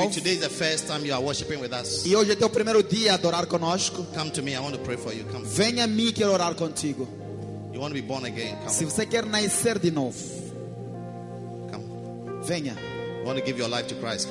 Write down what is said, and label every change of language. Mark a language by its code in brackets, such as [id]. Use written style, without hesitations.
[en] Maybe today is the first time you are worshiping with us. [pt] E hoje é teu primeiro dia a adorar conosco. [en] Come to me, I want to pray for you. Come. [pt] Venha a mim, quero orar contigo. [en] You want to be born again? Come. [pt] Se você quer nascer de novo. [en] Come. [pt] Venha. [en] You want to give your life to Christ?